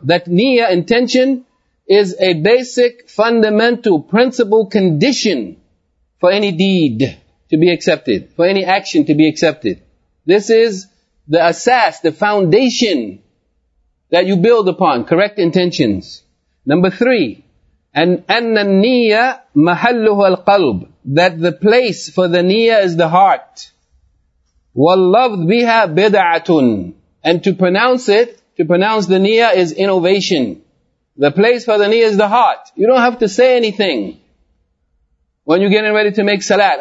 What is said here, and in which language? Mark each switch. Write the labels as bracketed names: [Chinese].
[English] That niyya, intention, is a basic, fundamental, principal condition for any deed to be accepted, for any action to be accepted. This is the asas, the foundation that you build upon, correct intentions. Number three, and [Arabic] أَنَّ النِّيَّ مَحَلُّهَا الْقَلْبِ. [English] That the place for the niyyah is the heart. [Arabic] وَاللَّفْظ بِهَا بِدَعَةٌ. [English] And to pronounce it, to pronounce the niyyah is innovation. The place for the niyyah is the heart. You don't have to say anything when you're getting ready to make salat.